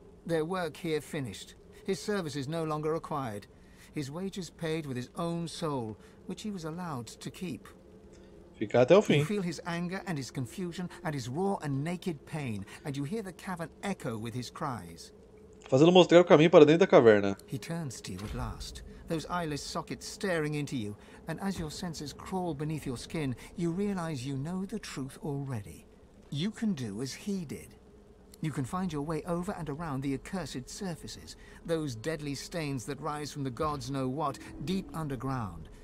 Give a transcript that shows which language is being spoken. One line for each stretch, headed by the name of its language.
English: Their work here finished. His services no longer required. His wages paid with his own soul, which he was allowed to keep.
Portuguese: Ficar até o fim.
English: You feel his anger and his confusion and his raw and naked pain, and you hear the cavern echo with his cries.
Portuguese: Fazendo mostrar o caminho para dentro da caverna.
English: He turns to you at last, those eyeless sockets staring into you, and as your senses crawl beneath your skin, you realize you know the truth already. You can do as he did. You can find your way over and around the accursed surfaces, those deadly stains that rise from the gods know what, deep underground.